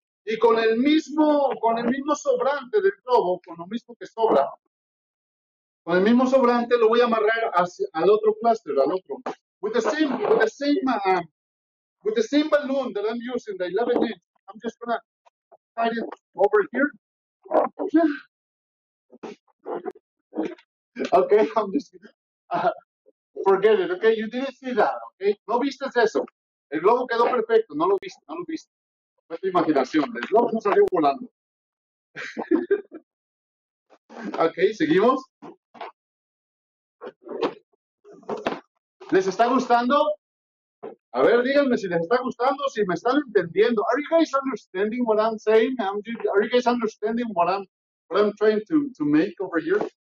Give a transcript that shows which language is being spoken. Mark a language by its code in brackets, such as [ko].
[es] Y con el mismo sobrante del globo, con lo mismo que sobra, con el mismo sobrante lo voy a amarrar al otro cluster, al otro. [en] With the same balloon that I'm using, the 11-inch, I'm just gonna tie it over here. Okay, I'm just gonna forget it. Okay, you didn't see that. [es] Okay, no viste eso. El globo quedó perfecto. No lo viste. Tu imaginación, el globo salió volando. Ok, seguimos. ¿Les está gustando? A ver, díganme si les está gustando, si me están entendiendo. [en] Are you guys understanding what I'm saying? Are you guys understanding what I'm trying to make over here?